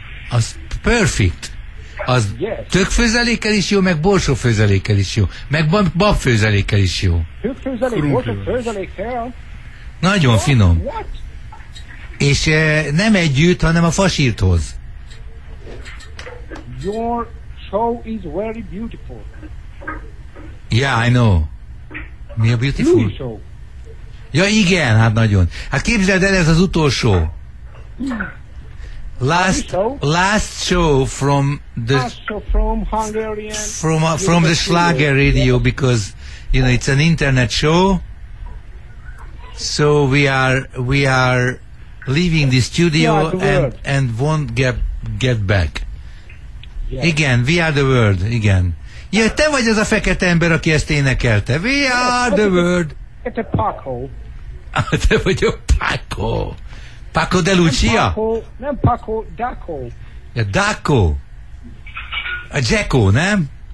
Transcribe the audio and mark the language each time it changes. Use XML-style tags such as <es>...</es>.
<hu>Az perfect. Az</hu> <en>yes.</en> <hu>Tök főzelékkel is jó, meg borsó főzelékkel is jó. Meg bab főzelékkel is jó. Tök főzelék, borsó főzelékkel? Nagyon</hu> <en>what?</en> <hu>Finom.</hu> <en>What?</en> <hu>És nem együtt, hanem a fasírthoz.</hu> <en>Your show is very beautiful. Yeah, I know.</en> <hu>Mi a</hu> <en>beautiful? Louis show.</en> <hu>Ja, igen, hát nagyon. Hát képzeld el, ez az utolsó.</hu> <en>Last show from the Hungarian from the Schlager radio, yeah. Because you know it's an internet show, so we are leaving the studio and won't get back. Yeah. Again, we are the world. Again, yeah,</en> <hu>te vagy az a fekete ember, aki ezt énekelte.</hu> <en>We are the world.</en> <hu>Te Paco. Te vagy a Paco. Paco de Lucia? Nem Paco, Daco. Ja, Daco. A Jacko, nem?</hu>